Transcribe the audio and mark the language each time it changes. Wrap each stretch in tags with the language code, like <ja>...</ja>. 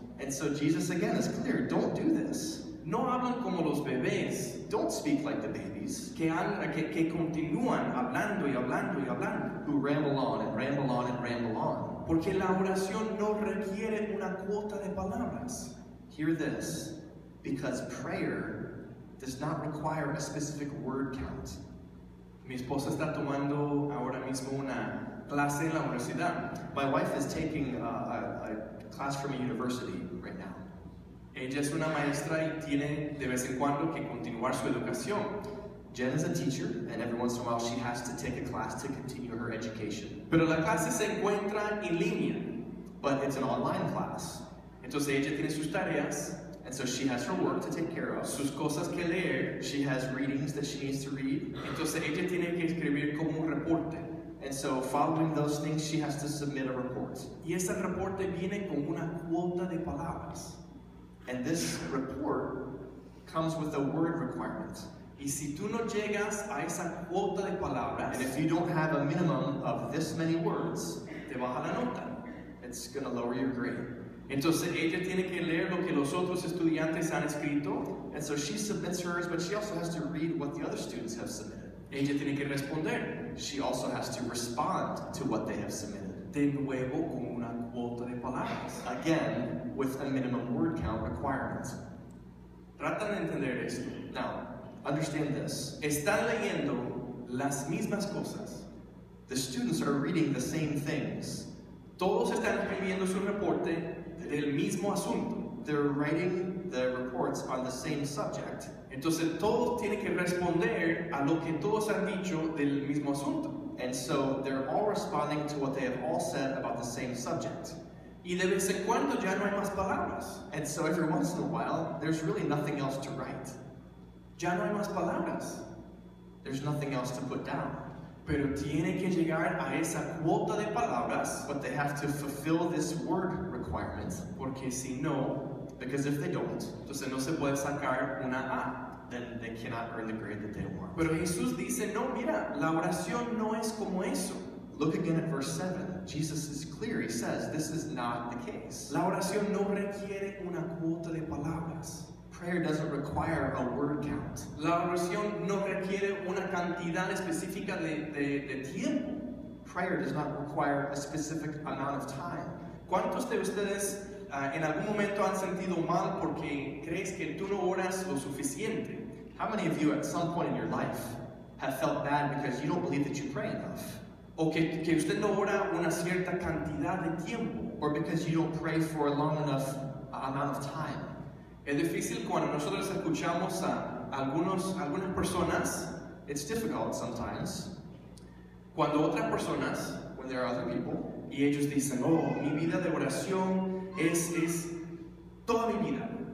<en>And so Jesus again is clear, don't do this.</en> <es>No hablan como los bebés.</es> <en>Don't speak like the babies.</en> <es>Que continúan hablando y hablando y hablando.</es> <en>Who ramble on and ramble on and ramble on.</en> <es>Porque la oración no requiere una cuota de palabras.</es> <en>Hear this. Because prayer does not require a specific word count.</en> <es>Mi esposa está tomando ahora mismo una clase en la universidad.</es> <en>My wife is taking a class from a university right now.</en> <es>Ella es una maestra y tiene de vez en cuando que continuar su educación.</es> <en>Jen is a teacher, and every once in a while she has to take a class to continue her education.</en> <es>Pero la clase se encuentra en línea.</es> <en>But it's an online class.</en> <es>Entonces ella tiene sus tareas.</es> <en>And so she has her work to take care of.</en> <es>Sus cosas que leer.</es> <en>She has readings that she needs to read.</en> <es>Entonces ella tiene que escribir como un reporte.</es> <en>And so following those things, she has to submit a report.</en> <es>Y ese reporte viene con una cuota de palabras.</es> <en>And this report comes with a word requirement.</en> <es>Y si tú no llegas a esa cuota de palabras,</es> <en>and if you don't have a minimum of this many words,</en> <es>te baja la nota.</es> <en>It's going to lower your grade.</en> <es>Entonces ella tiene que leer lo que los otros. otros estudiantes han escrito.</es> <en>And so she submits hers, but she also has to read what the other students have submitted.</en> <es>Ella tiene que responder.</es> <en>She also has to respond to what they have submitted.</en> <es>De nuevo, con una cuota de palabras.</es> <en>Again, with a minimum word count requirement.</en> <es>Tratan de entender esto.</es> <en>Now, understand this.</en> <es>Están leyendo las mismas cosas.</es> <en>The students are reading the same things.</en> <es>Todos están escribiendo su reporte del mismo asunto.</es> <en>They're writing the reports on the same subject.</en> <es>Entonces, todos tienen que responder a lo que todos han dicho del mismo asunto.</es> <en>And so, they're all responding to what they have all said about the same subject.</en> <es>Y de vez en cuando ya no hay más palabras.</es> <en>And so, every once in a while, there's really nothing else to write.</en> <es>Ya no hay más palabras.</es> <en>There's nothing else to put down.</en> <es>Pero tiene que llegar a esa cuota de palabras.</es> <en>But they have to fulfill this word requirement.</en> <es>Porque si no,</es> <en>because if they don't,</en> <es>entonces no se puede sacar una A.</es> <en>Then they cannot earn the grade that they want.</en> <es>Pero Jesús dice, no, mira, la oración no es como eso.</es> <en>Look again at verse 7. Jesus is clear. He says, this is not the case.</en> <es>La oración no requiere una cuota de palabras.</es> <en>Prayer doesn't require a word count.</en> <es>La oración no requiere una cantidad específica de tiempo.</es> <en>Prayer does not require a specific amount of time.</en> <es>¿Cuántos de ustedes en algún momento han sentido mal porque crees que tú no oras lo suficiente?</es> <en>How many of you at some point in your life have felt bad because you don't believe that you pray enough?</en> <es>O que usted no ora una cierta cantidad de tiempo?</es> <en>Or because you don't pray for a long enough amount of time?</en> <es>Es difícil cuando nosotros escuchamos a algunas personas.</es> <en>It's difficult sometimes.</en> <es>Cuando otras personas,</es> <en>when there are other people,</en> <es>y ellos dicen, oh, mi vida de oración es toda mi vida.</es>